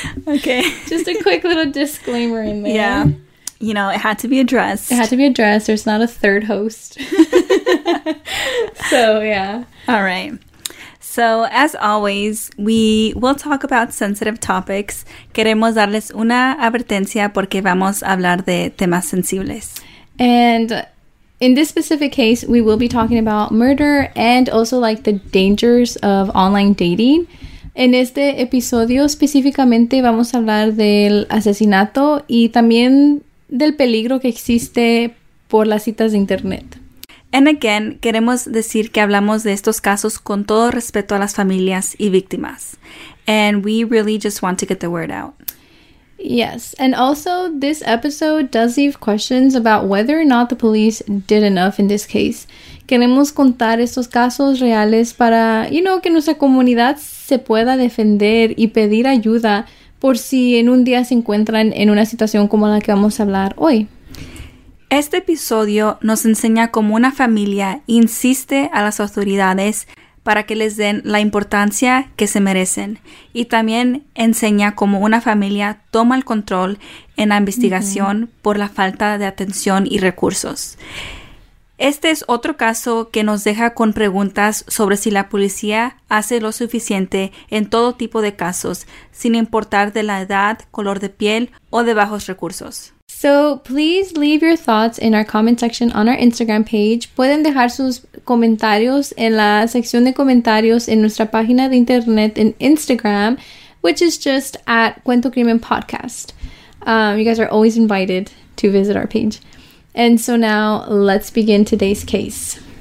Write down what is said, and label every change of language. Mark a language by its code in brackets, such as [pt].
[en] Okay. Just a quick little disclaimer in there. Yeah. You know, it had to be addressed. It had to be addressed. There's not a third host. So, yeah. All right. So, as always, we will talk about sensitive topics. [es] Queremos darles una advertencia porque vamos a hablar de temas sensibles. [en] And in this specific case, we will be talking about murder and also like the dangers of online dating. [es] En este episodio específicamente vamos a hablar del asesinato y también del peligro que existe por las citas de internet. [en] And again, [es] queremos decir que hablamos de estos casos con todo respeto a las familias y víctimas. [en] And we really just want to get the word out. Yes, and also this episode does leave questions about whether or not the police did enough in this case. [es] Queremos contar estos casos reales para, [en] you know, [es] que nuestra comunidad se pueda defender y pedir ayuda por si en un día se encuentran en una situación como la que vamos a hablar hoy. Este episodio nos enseña cómo una familia insiste a las autoridades para que les den la importancia que se merecen. Y también enseña cómo una familia toma el control en la investigación por la falta de atención y recursos. Este es otro caso que nos deja con preguntas sobre si la policía hace lo suficiente en todo tipo de casos, sin importar de la edad, color de piel o de bajos recursos. [en] So please leave your thoughts in our comment section on our Instagram page. [es] Pueden dejar sus comentarios en la sección de comentarios en nuestra página de internet en Instagram, [en] which is just at Cuento Crimen Podcast. You guys are always invited to visit our page. And so now let's begin today's case.